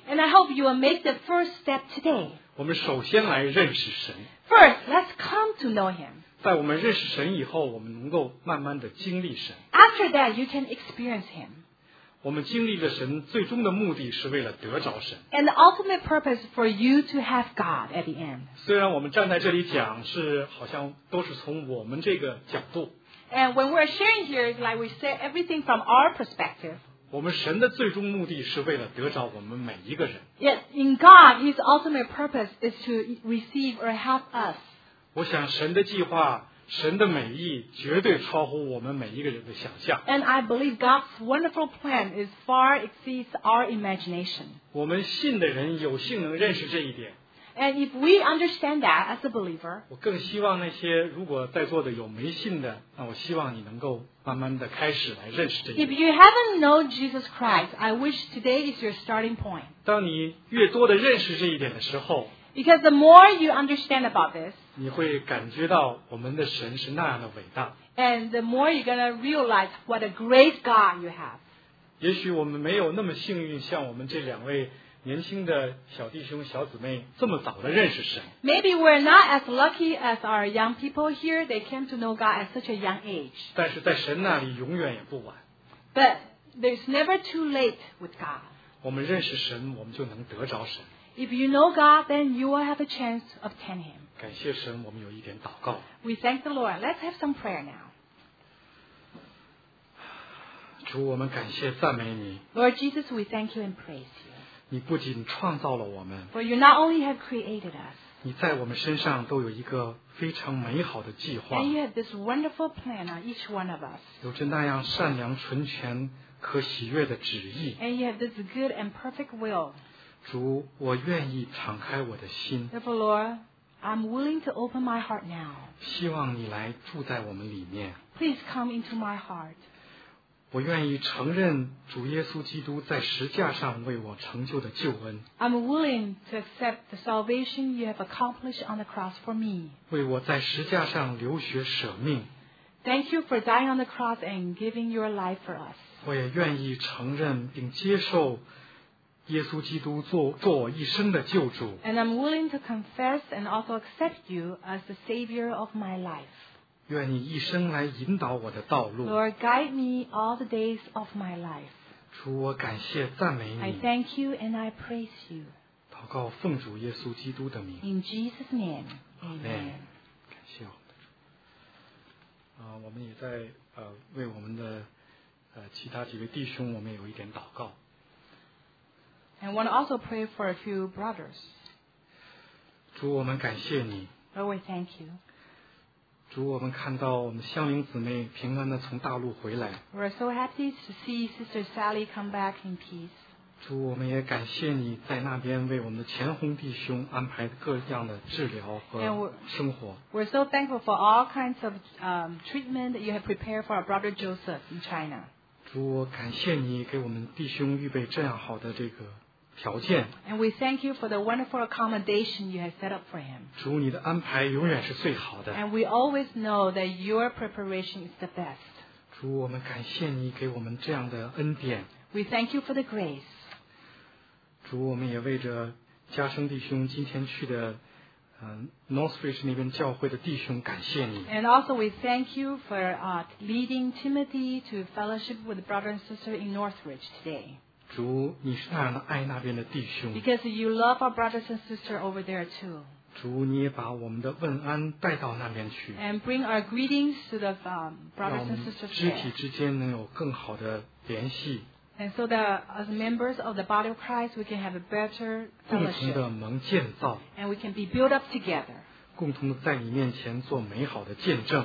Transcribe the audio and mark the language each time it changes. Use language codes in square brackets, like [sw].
[en] And I hope you will make the first step today. [zh] 我们首先来认识神。 [en] First, let's come to know him. [zh] 在我们认识神以后我们能够慢慢的经历神。 [en] After that, you can experience him. [zh] 我们经历了神最终的目的是为了得着神。 [en] And the ultimate purpose for you to have God at the end. [zh] 虽然我们站在这里讲是好像都是从我们这个角度。 [en] And when we're sharing here, like we say everything from our perspective. [zh] 我们神的最终目的是为了得着我们每一个人。 [en] Yet in God, His ultimate purpose is to receive or have us. [zh] 我想神的计划、神的美意绝对超乎我们每一个人的想象。 [en] And I believe God's wonderful plan is far exceeds our imagination. [zh] 我们信的人有幸能认识这一点。 [en] And if we understand that as a believer, [zh] 我更希望那些如果在座的有没信的，那我希望你能够慢慢的开始来认识这一点。 [en] If you haven't known Jesus Christ, I wish today is your starting point. [zh] 当你越多的认识这一点的时候， [en] because the more you understand about this, [zh] 你会感觉到我们的神是那样的伟大。 [en] And the more you're going to realize what a great God you have. [zh] 也许我们没有那么幸运，像我们这两位年轻的小弟兄小姊妹这么早的认识神。 [en] Maybe we're not as lucky as our young people here. They came to know God at such a young age. [zh] 但是在神那里永远也不晚。 [en] But there's never too late with God. [zh] 我们认识神，我们就能得着神。 [en] If you know God, then you will have a chance to obtain Him. [zh] 感谢神，我们有一点祷告。 [en] We thank the Lord. Let's have some prayer now. [zh] 主，我们感谢赞美你。 [en] Lord Jesus, we thank you and praise you. [zh] 你不仅创造了我们， [en] But you not only have created us, [zh] 你在我们身上都有一个非常美好的计划。 [en] And you have this wonderful plan on each one of us. [zh] 有着那样善良、纯全、可喜悦的旨意。 [en] And you have this good and perfect will. [zh] 主，我愿意敞开我的心。 [en] Therefore, Lord, I'm willing to open my heart now. [zh] 希望你来住在我们里面。 [en] Please come into my heart. [zh] 我愿意承认主耶稣基督在十架上为我成就的救恩。 [en] I'm willing to accept the salvation you have accomplished on the cross for me. [zh] 为我在十架上流血舍命。 [en] Thank you for dying on the cross and giving your life for us. [zh] 我也愿意承认并接受耶稣基督做我一生的救主。 [en] And I'm willing to confess and also accept you as the savior of my life. [zh] 愿你一生来引导我的道路。 [en] Lord, guide me all the days of my life. [zh] 主，我感谢赞美你。 [en] I thank you and I praise you. [zh] 祷告奉主耶稣基督的名。 [en] In Jesus' name, Amen. [zh] 感谢我们。我们也在为我们的其他几位弟兄，我们有一点祷告。 [en] And want to also pray for a few brothers. [zh] 主，我们感谢你。 [en] Lord, we thank you. [zh] 主，我们看到我们香菱姊妹平安的从大陆回来。 [en] We're so happy to see Sister Sally come back in peace. [zh] 主，我们也感谢你在那边为我们的前红弟兄安排各样的治疗和生活。 [en] We're so thankful for all kinds of treatment that you have prepared for our brother Joseph in China. [zh] 主，我感谢你给我们弟兄预备这样好的这个条件。 [en] And we thank you for the wonderful accommodation you have set up for him. [zh] 主，你的安排永远是最好的。 [en] And we always know that your preparation is the best. [zh] 主，我们感谢你给我们这样的恩典。 [en] We thank you for the grace. [zh] 主，我们也为着加生弟兄今天去的Northridge 那边教会的弟兄感谢你。 [en] And also we thank you for leading Timothy to fellowship with brother and sister in Northridge today. [zh] 主，你是那样的爱那边的弟兄。 [en] Because you love our brothers and sisters over there too. [zh] 主，你也把我们的问安带到那边去。 [en] And bring our greetings to the brothers and sisters there. [zh] 肢体之间能有更好的联系。 [en] And so that as members of the body of Christ, we can have a better fellowship. [zh] 共同的蒙建造。 [en] And we can be built up together. [zh] 共同的在你面前做美好的见证。